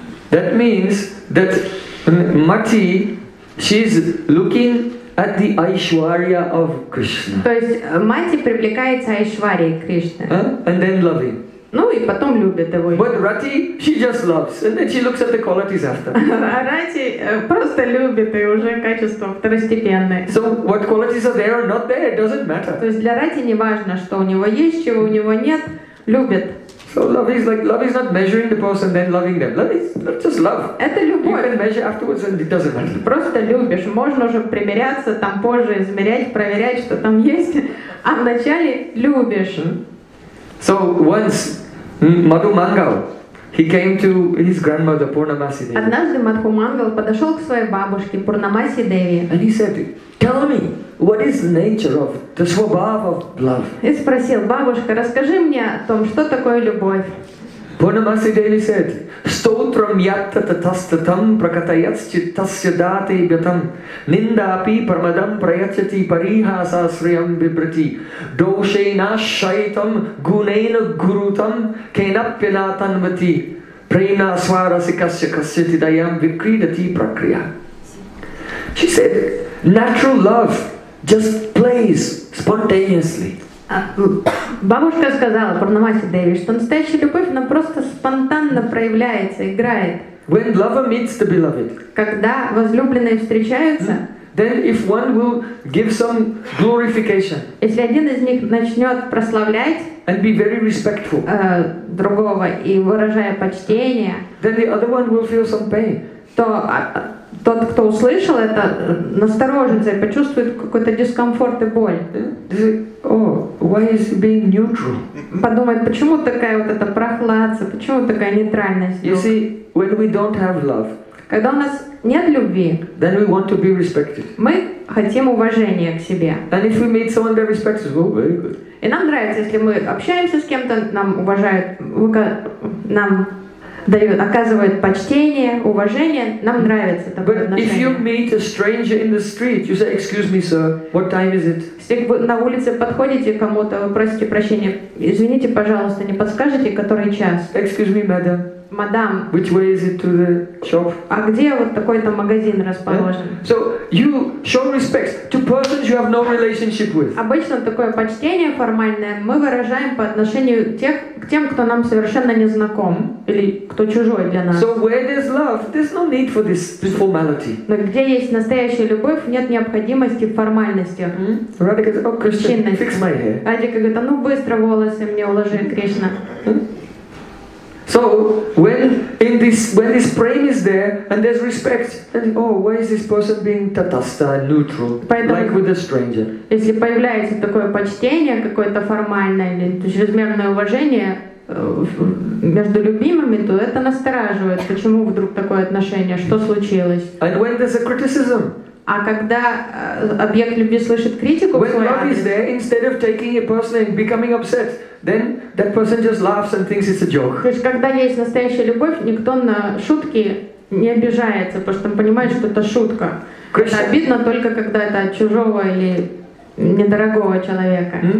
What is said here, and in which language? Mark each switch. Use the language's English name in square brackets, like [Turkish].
[English] That means that Mati, she's looking at the Aishwarya of Krishna. [Russian] То есть мати привлекается Айшварией Кришны. [English] And then loving. [Russian] Ну и потом любит его. [English] But Rati, she just loves, and then she looks at the qualities after. [Russian] А Рати просто любит, и уже качества второстепенные. [English] So what qualities are there or not there, it doesn't matter. [Russian] То есть для Рати не важно, что у него есть, чего у него нет, любит. [English] So love is not measuring the person, then loving them. Love is just love. [Russian] Это любовь. [English] You can measure afterwards, and it doesn't matter. [Russian] Просто любишь. Можно уже примеряться там позже, измерять, проверять, что там есть. А вначале любишь. [English] So once Madhu Mangal, he came to his grandmother Purnamasi Devi. [Russian] Однажды Мадху Мангал подошел к своей бабушке Пурнамаси Деви. [English] And he said, "Tell me, what is the nature of the swabhav of love?" [Russian] И спросил бабушка, расскажи мне о том, что такое любовь. [Sanskrit] Пурнамаси Деви said, "Stotram yatta tatastatam prakatayatsi tasyadate ibyatam nindapi parmadam prayatyati parihasa sriyam vibrati dosheena shaitam guneena gurutam kenapyanatan vati prena swarasikasya kasyati dayam vikridati prakriya." [English] She said, natural love just plays spontaneously. [Russian] Бабушка сказала Пурнамаси Деви, что настоящая любовь, она просто спонтанно проявляется, играет. [English] When lover meets the beloved. [Russian] Когда возлюбленные встречаются. [English] Then if one will give some glorification. [Russian] Если один из них начнет прославлять. [English] And be very respectful. [Russian] Другого и выражая почтение. [English] Then the other one will feel some pain. [Russian] Тот, кто услышал это, насторожится и почувствует какой-то дискомфорт и боль. [English] Oh, why is he being neutral? [Russian] Подумает, почему такая вот эта прохладца, почему такая нейтральность? [English] You see, when we don't have love, [Russian] когда у нас нет любви, [English] then we want to be respected. [Russian] Мы хотим уважения к себе. [English] And if we meet someone that respects us, well, very good. [Russian] И нам нравится, если мы общаемся с кем-то, нам уважают, нам дают, оказывают почтение, уважение, нам нравится такое [English] But [Russian] отношение. [English] If you meet a stranger in the street, you say, excuse me, sir, what time is it? [Russian] Если вы на улице подходите к кому-то, вы просите прощения, извините, пожалуйста, не подскажете, который час? [English] Excuse me, madam. [Russian] Мадам, [English] which way is it to the shop? [Russian] А где вот такой-то магазин расположен? [English] Yeah? So you show respect to persons you have no relationship with. [Russian] Обычно такое почтение формальное мы выражаем по отношению к тем, кто нам совершенно не знаком или кто чужой для нас. [English] So where there's love, there's no need for this formality. [Russian] Но где есть настоящая любовь, нет необходимости в формальности. Радика говорит, [English] oh, Krishna, fix my hair. [Russian] Радика говорит, а ну быстро волосы мне уложи, Кришна. [English] So when this frame is there and there's respect, then oh, why is this person being tatasta and neutral, [Russian] поэтому, [English] like with a stranger? [Russian] Если появляется такое почтение, какое-то формальное или чрезмерное уважение между любимыми, то это настораживает. Почему вдруг такое отношение? Что случилось? [English] And when there's a criticism? [Russian] А когда объект любви слышит критику, [English] when love is there, instead of taking it personally and becoming upset, then that person just laughs and thinks it's a joke. [Russian] То есть когда есть настоящая любовь, никто на шутки не обижается, потому что он понимает, что это шутка. Это обидно только когда это от чужого или недорогого человека.